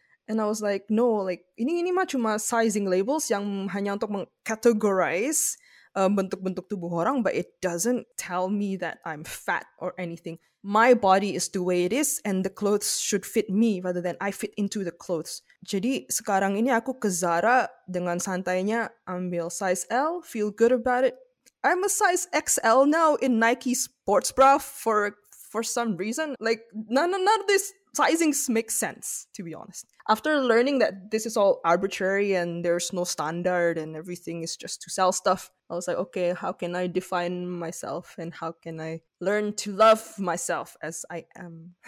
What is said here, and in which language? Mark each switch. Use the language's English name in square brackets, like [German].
[English] And I was like, no, like [Indonesian] ini mah cuma sizing labels yang hanya untuk mengcategorize bentuk-bentuk tubuh orang, [English] but it doesn't tell me that I'm fat or anything. My body is the way it is, and the clothes should fit me rather than I fit into the clothes. [Indonesian] Jadi sekarang ini aku ke Zara dengan santainya ambil size L, [English] feel good about it. I'm a size XL now in Nike sports bra for some reason. Like none of this sizing makes sense, to be honest. After learning that this is all arbitrary and there's no standard and everything is just to sell stuff, I was like, okay, how can I define myself and how can I learn to love myself as I am?